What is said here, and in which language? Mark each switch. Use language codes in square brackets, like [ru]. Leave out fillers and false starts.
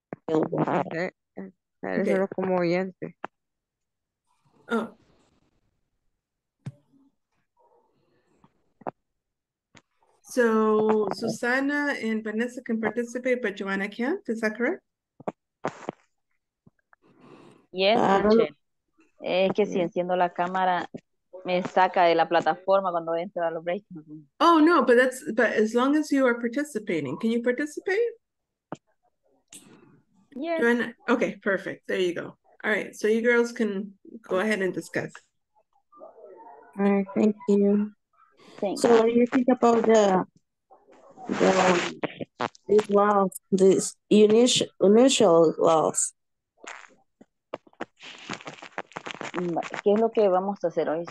[en] Okay. Oh. So Susana and Vanessa can participate, but Joanna can't, is that correct? [es] Yes, es que si enciendo la cámara me saca de la plataforma cuando entro a los breaks. [en] Oh no, but as long as you are participating, can you participate? Yes. Joanna? Okay, perfect. There you go. All right, so you girls can go ahead and discuss. All right, thank you. Thanks. So what do you think about the initial laws? [es] ¿Qué es lo que vamos a hacer hoy?